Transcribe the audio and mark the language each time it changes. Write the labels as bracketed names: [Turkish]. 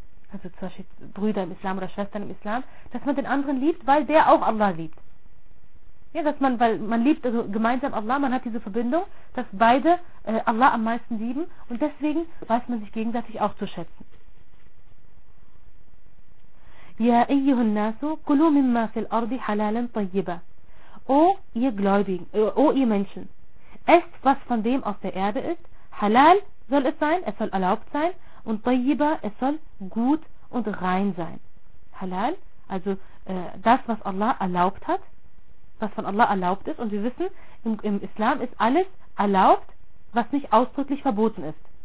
[German] Also zum Beispiel Brüder im Islam oder Schwestern im Islam. Dass man den anderen liebt, weil der auch Allah liebt. Ja, dass man, weil man liebt also gemeinsam Allah, man hat diese Verbindung, dass beide Allah am meisten lieben und deswegen weiß man sich gegenseitig auch zu schätzen. Ja, ihr [Arabic] الناس كلوا مما في الارض حلالا طيبا. [German] O ihr Gläubigen, o ihr Menschen, esst was von dem auf der Erde ist, halal soll es sein, es soll erlaubt sein und طيبا, es soll gut und rein sein. Halal, also das, was Allah erlaubt hat, was von Allah erlaubt ist, und wir wissen, im Islam ist alles erlaubt, was nicht ausdrücklich verboten ist.